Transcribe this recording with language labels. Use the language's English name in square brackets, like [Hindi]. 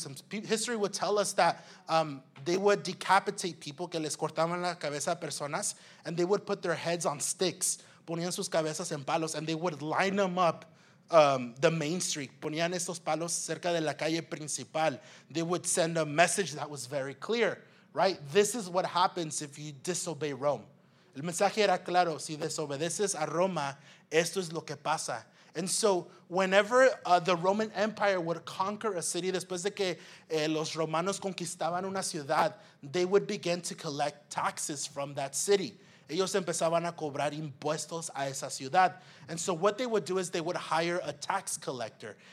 [English] History would tell us that they would decapitate people, [Spanish] que les cortaban la cabeza a personas, [English] and they would put their heads on sticks, [Spanish] ponían sus cabezas en palos, [English] and they would line them up the main street. [Spanish] Ponían estos palos cerca de la calle principal. [English] They would send a message that was very clear, right? This is what happens if you disobey Rome. [Spanish] El mensaje era claro. Si desobedeces a Roma, esto es lo que pasa. [English] And so whenever the Roman Empire would conquer a city, [Spanish] después de que los romanos conquistaban una ciudad, [English] they would begin to collect taxes from that city. [Spanish] Ellos empezaban a cobrar impuestos a esa ciudad. [English] And so what they would do is they would hire a tax collector.